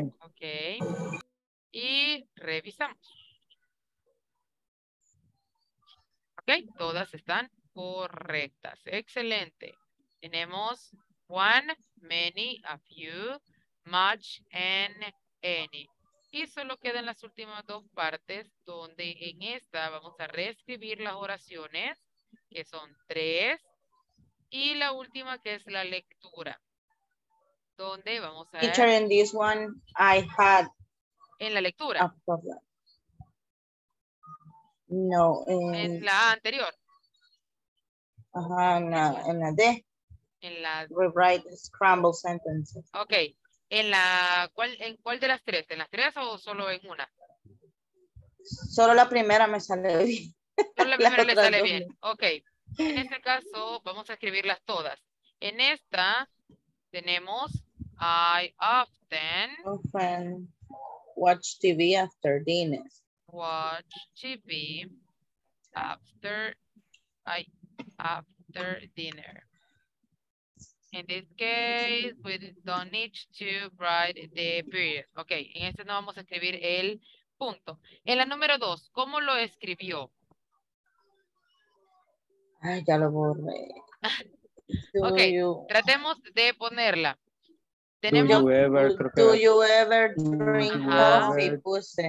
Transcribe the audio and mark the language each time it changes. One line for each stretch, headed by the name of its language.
Spanish: Okay. Y revisamos. Okay, todas están correctas. Excelente.
English: Tenemos one, many, a few, much, and any.
Spanish: Y solo quedan las últimas dos partes donde en esta vamos a reescribir las oraciones, que son tres, y la última que es la lectura. Donde vamos a...
English: Teacher, in this one, I had...
Spanish: En la lectura.
English: A problem.
Spanish: No, en la anterior. Ajá, en la D. En la...
English: Rewrite scramble sentences. Ok.
Spanish: ¿En la cuál, en cuál de las tres? ¿En las tres o solo en una? Solo la primera me sale bien. Solo la primera le sale bien. Ok. En este caso, vamos a escribirlas todas. En esta tenemos
English: I often... Often watch TV after dinner. Watch TV after after dinner. In this case, we don't need to write the period.
Spanish: Okay, en este no vamos a escribir el punto. En la número dos, ¿cómo lo escribió? Ay, ya lo borré. Okay, tratemos de ponerla. Tenemos,
English: do you ever drink coffee, Puse?